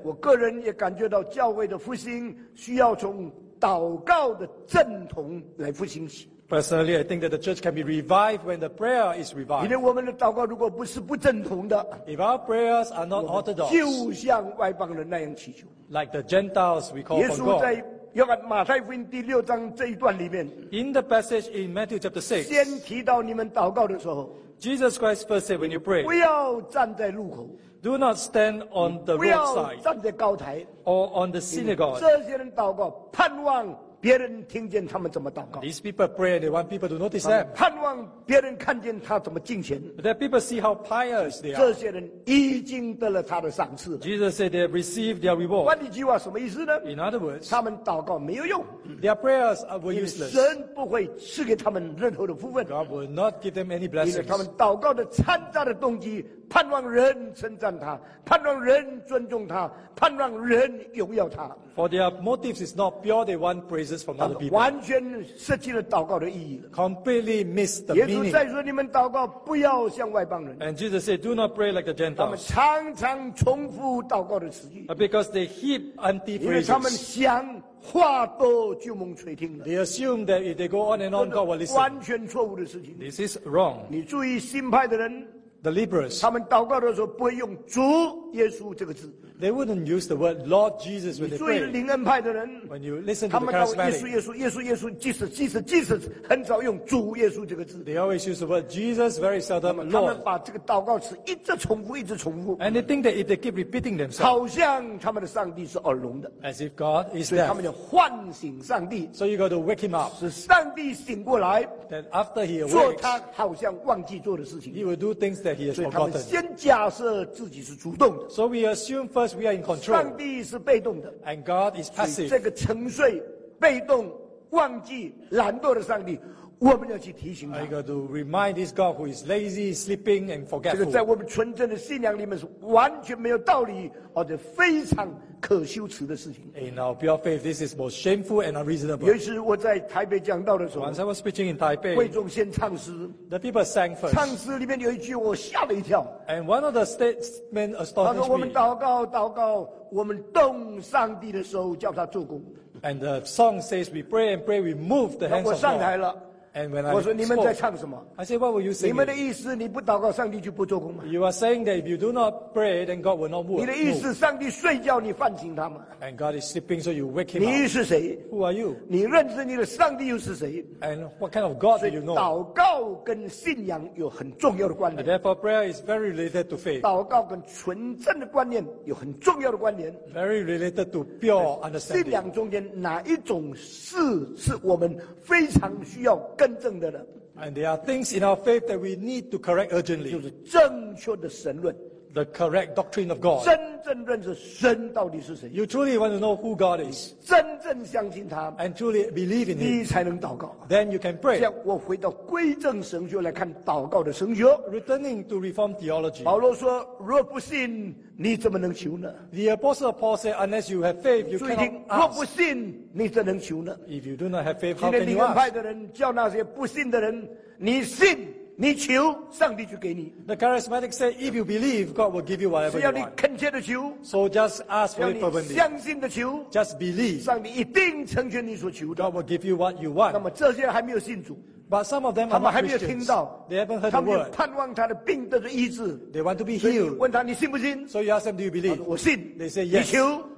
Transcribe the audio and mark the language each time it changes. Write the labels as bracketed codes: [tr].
[zh] 我个人也感觉到教会的复兴需要从祷告的正统来复兴起。 [en] Personally, I think that the church can be revived when the prayer is revived. [zh] 因为我们的祷告如果不是不正统的 [en] ，If our prayers are not orthodox, [zh] 就像外邦人那样祈求 [en] ，Like the Gentiles we call from God. [zh] 要看马太福音第六章这一段里面 [en] ，In the passage in Matthew chapter six， [zh] 先提到你们祷告的时候 [en] ，Jesus Christ first said when you pray， [zh] 不要站在路口 [en] ，Do not stand on the roadside， [zh] 不要站在高台 [en] ，or on the synagogue。 [zh] 这些人祷告，盼望别人听见他们怎么祷告。 [en] These people pray and they want people to notice them。 [zh] 盼望别人看见他怎么敬虔。 [en] That people see how pious they are。 [zh] 这些人已经得了他的赏赐。 [en] Jesus said they have received their reward。 [zh] 换一句话什么意思呢 [en] ？In other words， [zh] 他们祷告没有用。 [en] Their prayers were useless。 [zh] 神不会赐给他们任何的福分。 [en] God will not give them any blessings。 [zh] 因为他们祷告的掺杂的动机，盼望人称赞他，盼望人尊重他，盼望人荣耀他。 [en] For their motives is not pure, they want praises from other people. [zh] 完全失去了祷告的意义了。 [en] Completely miss the [zh] 耶稣再说你们祷告不要像外邦人。 [en] And Jesus said, do not pray like the Gentiles. [zh] 他们常常重复祷告的词语。 [en] Because they heap empty phrases. [zh] 因为他们想话多就蒙垂听了。 [en] They assume that if they go on and on, God will listen. [zh] 完全错误的事情。 [en] This is wrong. [zh] 你注意新派的人。 [en] The liberals. [zh] 他们祷告的时候不会用主耶稣这个字。 [en] They wouldn't use the word Lord Jesus when they pray. [zh] 灵恩派的人 [en] ，when you listen to the charismatic, [zh] 他们祷告耶稣 ，Jesus， 很少用主耶稣这个字。 [en] They always use the word Jesus very seldom. Lord. [zh] 他们把这个祷告词一直重复。 [en] And they think that if they keep repeating themselves, [zh] 好像他们的上帝是耳聋的。 [en] As if God is deaf. [zh] 所以他们要唤醒上帝。 [en] So you got to wake him up. [zh] 使上帝醒过来。 [en] Then after he awakes, [zh] 做他好像忘记做的事情。 [en] He will do things that he has forgotten. [zh] 所以他们先假设自己是主动的。 [en] So we assume first. We are in control. [zh] 上帝是被动的 [en] ，and God is passive. [zh] 这个沉睡、被动、忘记、懒惰的上帝，我们要去提醒他。 [en] I got to remind this God who is lazy, sleeping, and forgetful. [zh] 这个在我们纯正的信仰里面是完全没有道理，而且非常可羞耻的事情。 [en] In our pure faith, this is most shameful and unreasonable. [zh] 尤其我在台北讲道的时候 [en] ，Once I was preaching in Taipei, [zh] 会众先唱诗 [en] ，the people sang first. [zh] 唱诗里面有一句我吓了一跳。 [en] And one of the statements astonished me. [zh] 他说我们祷告，我们动上帝的手叫他做工。 [en] And the song says, "We pray and pray, we move the hands of God." [zh] 我上台了。 [en] And when I [zh] 我说你们在唱什么 [en] ？I said, what were you saying? [zh] 你们的意思，你不祷告，上帝就不做工吗 [en] ？You are saying that if you do not pray, then God will not move. [zh] 你的意思，上帝睡觉，你唤醒他吗 [en] ？And God is sleeping, so you wake him up. [zh] 你是谁 [en] ？Who are you? [zh] 你认识你的上帝又是谁 [en] ？And what kind of God do you know? [zh] 祷告跟信仰有很重要的关联。 [en] Therefore, prayer is very related to faith. [zh] 祷告跟纯正的观念有很重要的关联。 [en] Very related to pure understanding. [zh] 信仰中间哪一种事是我们非常需要跟？ [en] And there are things in our faith that we need to correct urgently. [zh] 就是正确的神论。 [en] The correct doctrine of God. [zh] 真正认识神到底是谁。 [en] You truly want to know who God is. [zh] 真正相信他。 [en] And truly believe in Him. [zh] 你才能祷告。 [en] Then you can pray. [zh] 这样我回到归正神学来看祷告的神学。 [en] Returning to Reformed theology. [zh] 保罗说，若不信，你怎么能求呢 [en] ？The apostle Paul said, unless you have faith, you cannot ask. [zh] 若不信，你怎能求呢 [en] ？If you do not have faith, how can you ask? [zh] 今天灵派的人叫那些不信的人，你信。你求上帝就给你。 [en] The charismatic say, if you believe, God will give you whatever you want. [zh] 是要你恳切的求。 [en] So just ask for it fervently. [zh] 要你相信的求。 [en] Just believe. [zh] 上帝一定成全你所求的。 [en] God will give you what you want. [zh] 那么这些还没有信主。 [en] But some of them are not Christians. [zh] 他们还没有听到。 [en] They haven't heard the word. [zh] 他们就盼望他的病得着医治。 [en] They want to be healed. [zh] 问他你信不信 [en] ？So you ask them, do you believe? [zh] 我信。 [en] They say yes. [zh] 你求。